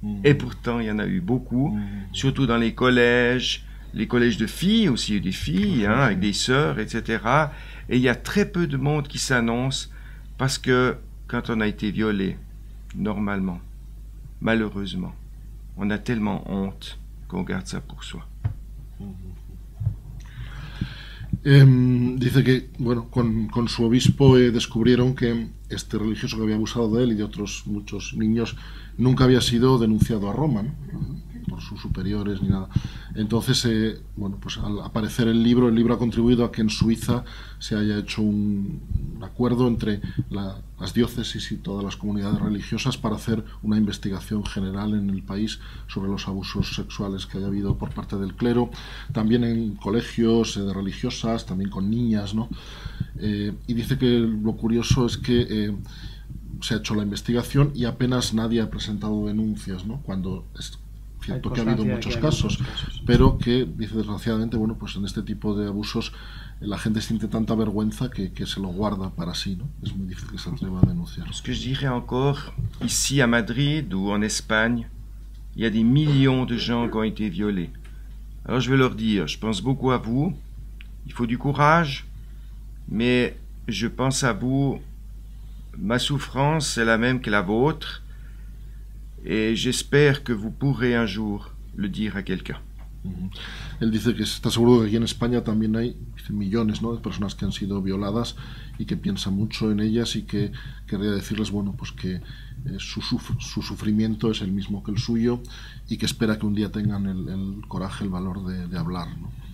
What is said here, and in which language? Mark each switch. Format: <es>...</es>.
<fr>Et pourtant, il y en a eu beaucoup, surtout dans les collèges, les collèges de filles aussi, des filles, hein, avec des sœurs, etc. Et il y a très peu de monde qui s'annonce parce que quand on a été violé, normalement, malheureusement, on a tellement honte qu'on garde ça pour soi.</fr> <es>Dice que, con su obispo descubrieron que este religioso que había abusado de él y de otros muchos niños nunca había sido denunciado a Roma, ¿no? Por sus superiores ni nada. Entonces, al aparecer el libro ha contribuido a que en Suiza se haya hecho un acuerdo entre las diócesis y todas las comunidades religiosas para hacer una investigación general en el país sobre los abusos sexuales que haya habido por parte del clero, también en colegios de religiosas, también con niñas, ¿no? Y dice que lo curioso es que se ha hecho la investigación y apenas nadie ha presentado denuncias, ¿no? Cuando es cierto que ha habido muchos casos, pero que, dice desgraciadamente, en este tipo de abusos la gente siente tanta vergüenza que se lo guarda para sí, ¿no? Es muy difícil que se atreva a denunciar.</es> <fr>Ce que je dirais encore, ici à Madrid ou en Espagne, il y a des millions de gens qui ont été violés. Alors je vais leur dire, je pense beaucoup à vous, il faut du courage, mais je pense à vous, ma souffrance est la même que la vôtre, et j'espère que vous pourrez un jour le dire à quelqu'un.</fr> <es>Él dice que está seguro que aquí en España también hay millones, ¿no?, de personas que han sido violadas y que piensa mucho en ellas y que querría decirles, que su sufrimiento es el mismo que el suyo y que espera que un día tengan el coraje, el valor de hablar, ¿no?</es>